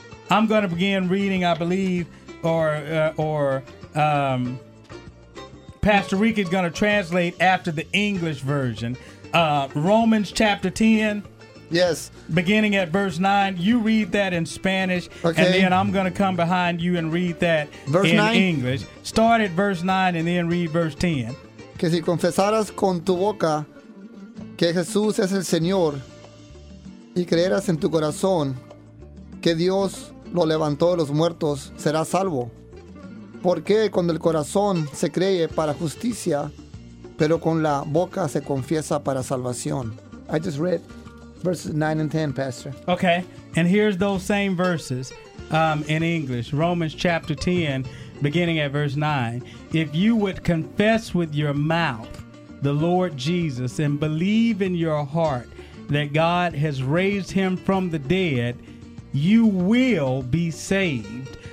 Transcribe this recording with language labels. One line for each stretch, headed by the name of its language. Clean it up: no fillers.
English: I'm going to begin reading, I believe, or Pastor Rick is going to translate after the English version. Romans chapter 10. Yes. Beginning at verse 9. You read that in Spanish. Okay. And then I'm going to come behind you and read that verse in 9? English. Start at verse 9 and then read verse 10.
Spanish: Que si confesaras con tu boca que Jesús es el Señor y creeras en tu corazón que Dios lo levantó de los muertos, serás salvo. Porque con el corazón se cree para justicia, pero con la boca se confiesa para salvación.
English: I just read verses 9 and 10, Pastor. Okay, and here's those same verses in English. Romans chapter 10, beginning at verse 9. If you would confess with your mouth the Lord Jesus and believe in your heart that God has raised him from the dead, you will be saved.